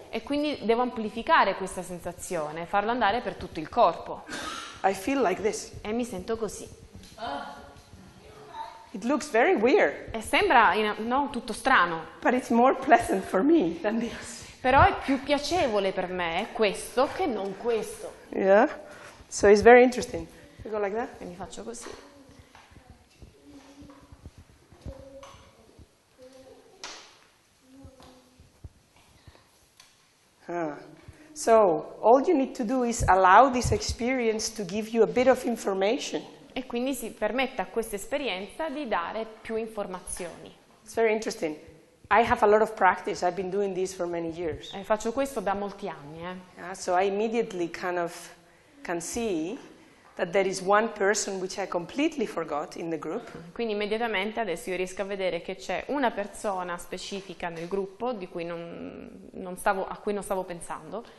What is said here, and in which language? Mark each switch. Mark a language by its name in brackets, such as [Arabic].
[Italian] E quindi devo amplificare questa sensazione, farlo andare per tutto il corpo. [English] I feel like this. [Italian] E mi sento così. [English] It looks very weird. [Italian] E sembra, no, tutto strano. [English] But it's more pleasant for me than this. [Italian] Però è più piacevole per me questo che non questo. [English] Yeah? So it's very interesting. You go like that? [Italian] E mi faccio così. [English] So, all you need to do is allow this experience to give you a bit of information. [Italian] E quindi si permette a questa esperienza di dare più informazioni. [English] It's very interesting. I have a lot of practice. I've been doing this for many years. [Italian] E faccio questo da molti anni, [English] So I immediately kind of can see that there is one person which I completely forgot in the group. [Italian] Quindi immediatamente adesso io riesco a vedere che c'è una persona specifica nel gruppo di cui non stavo pensando.